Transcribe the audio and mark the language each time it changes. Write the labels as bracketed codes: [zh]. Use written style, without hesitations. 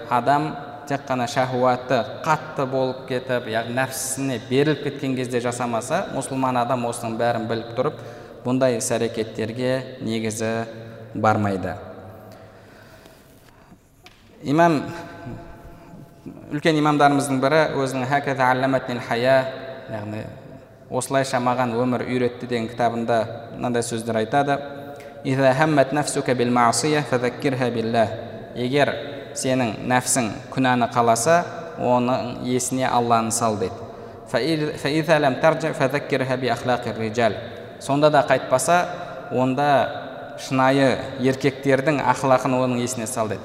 [kk] Адам тек қана шахуаты қатты болып кетіп, яғни нәпсісіне беріліп кеткен кезде жасамаса, мұсылман адам осының бәрін біліп тұрып, бұндай іс-әрекеттерге негізі бармайды. Имам, үлкен имамдарымыздың бірі өзінің [ar] «Хаказа алламатнил хая», [kk] яғни «Осылайша маған өмір үйретті» деген кітабында мынандай сөздер айтады. [ar] «Иза хаммат нафсука бил маасия фазаккирха биллах». [kk] Егер сенің нәпсің күнәні қаласа, оның есіне Алланы сал дейді. [ar] فَإِذَا لَمْ تَرْجِعْ فَذَكِّرْهَا بِأَخْلَاقِ الرِّجَالِ. [kk] Сонда да қайтпаса, онда шынайы еркектердің ақлақын оның есіне сал дейді.